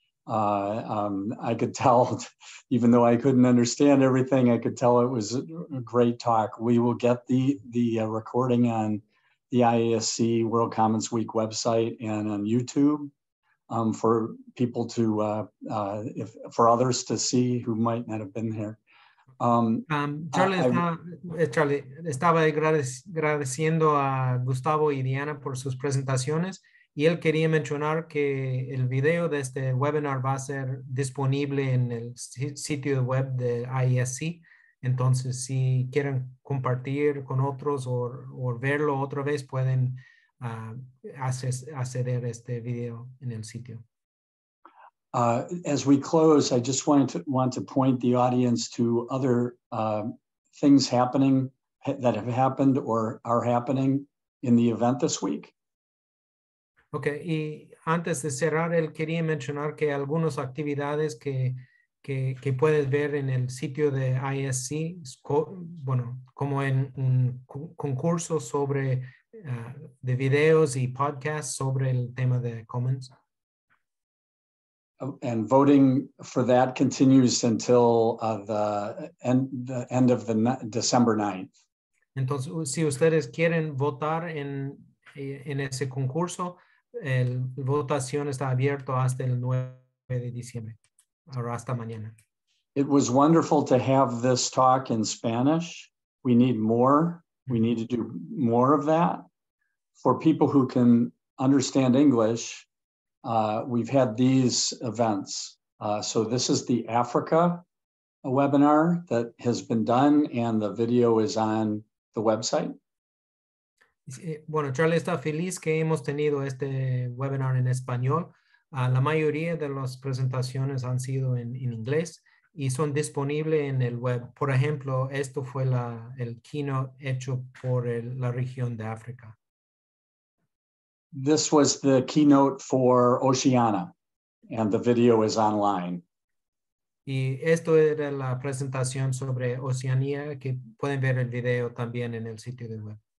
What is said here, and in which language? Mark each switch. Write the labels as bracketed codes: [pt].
[en] I could tell, even though I couldn't understand everything, I could tell it was a great talk. We will get the recording on the IASC World Commons Week website and on YouTube for people to, if for others to see who might not have been there. [es] Charlie, estaba agradeciendo a Gustavo y Diana por sus presentaciones. Y él quería mencionar que el video de este webinar va a ser disponible en el sitio web de IESC. Entonces, si quieren compartir con otros o verlo otra vez, pueden acceder a este video en el sitio. [en] As we close, I just want to point the audience to other things happening that have happened or are happening in the event this week. [es] Ok, y antes de cerrar, él quería mencionar que algunas actividades que puedes ver en el sitio de ISC, como en un concurso sobre de videos y podcasts sobre el tema de Commons. [en] And voting for that continues until the end of December 9th. [es] Entonces, si ustedes quieren votar en ese concurso, la votación está abierta hasta el 9. 9 de diciembre. Ahora hasta mañana. [en] It was wonderful to have this talk in Spanish. We need more. We need to do more of that. For people who can understand English, we've had these events. So this is the Africa webinar that has been done, and the video is on the website. [es] Bueno, Charlie está feliz que hemos tenido este webinar en español. La mayoría de las presentaciones han sido en inglés y son disponibles en el web. Por ejemplo, esto fue el keynote hecho por la región de África. [en] This was the keynote for Oceania, and the video is online. [es] Y esto era la presentación sobre Oceanía, que pueden ver el video también en el sitio del web.